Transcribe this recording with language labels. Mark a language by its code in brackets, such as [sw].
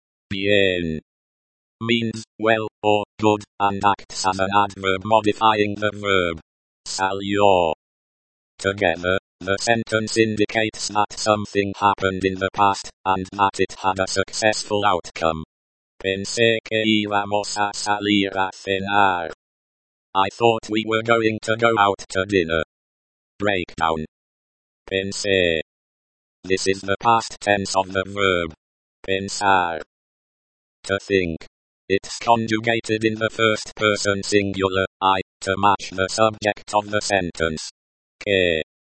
[en] Bien means well or good and acts as an adverb modifying the verb salió. Together, the sentence indicates that something happened in the past and that it had a successful outcome. [es] Pensé que íbamos a salir a cenar. [en] I thought we were going to go out to dinner. Breakdown. Pensé. This is the past tense of the verb pensar. To think. It's conjugated in the first person singular, I, to match the subject of the sentence. Que.